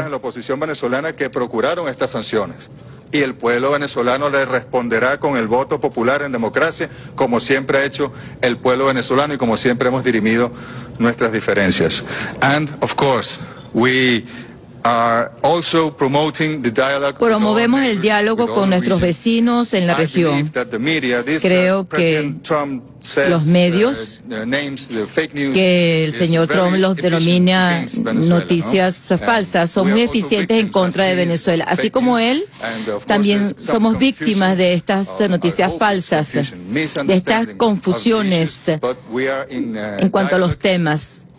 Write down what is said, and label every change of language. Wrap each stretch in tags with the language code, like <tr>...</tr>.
<es>En la oposición venezolana que procuraron estas sanciones. Y el pueblo venezolano le responderá con el voto popular en democracia, como siempre ha hecho el pueblo venezolano y como siempre hemos dirimido nuestras diferencias.</es> <en>And of course, we are also promoting the dialogue.</en> <es>Promovemos el diálogo con nuestros vecinos en la región. Creo que los medios, que el señor Trump los denomina noticias falsas, son muy eficientes en contra de Venezuela. Así como él, también somos víctimas de estas noticias falsas, de estas confusiones en cuanto a los temas.</es>